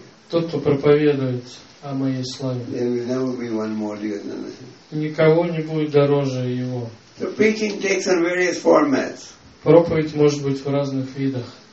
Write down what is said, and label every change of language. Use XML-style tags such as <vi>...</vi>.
<ru>Тот, кто проповедует о моей славе.</ru> <en>There will never be one more dear than him.</en> <ru>Никого не будет дороже его.</ru> <en>So preaching takes on various formats.</en> <ru>Проповедь может быть в разных видах.</ru>